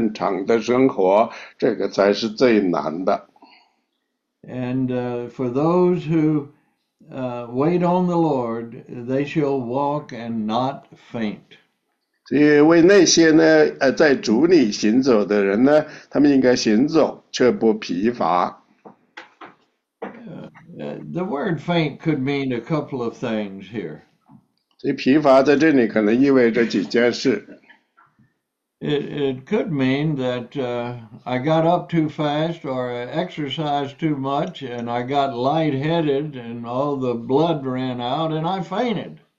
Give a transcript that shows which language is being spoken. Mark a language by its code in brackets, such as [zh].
[zh] 所以说，这就是我们称之为你每天每日的正常的生活，这个才是最难的。 [en] And for those who wait on the Lord, they shall walk and not faint. [zh] 所以为那些呢，在主里行走的人呢，他们应该行走却不疲乏。 [en] The word faint could mean a couple of things here. [zh] 所以疲乏在这里可能意味着几件事。 [en] It could mean that I got up too fast or I exercised too much and I got lightheaded and all the blood ran out and I fainted.